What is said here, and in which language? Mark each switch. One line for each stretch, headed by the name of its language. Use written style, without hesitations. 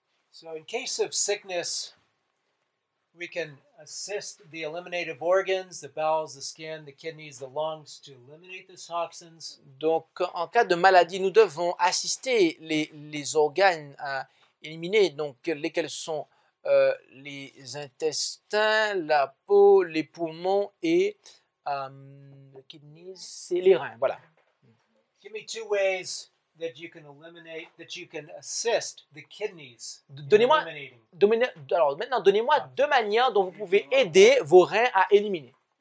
English: So in case of sickness, we can assist the eliminative organs, the bowels, the skin, the kidneys, the lungs to eliminate the toxins.
French: Donc en cas de maladie, nous devons assister les organes à éliminer, donc lesquels sont les intestins, la peau, les poumons et les kidneys, c'est les reins, voilà.
English: Give me two ways that you can eliminate, that you can assist the kidneys.
French: Donnez-moi deux manières dont vous pouvez aider vos reins à éliminer.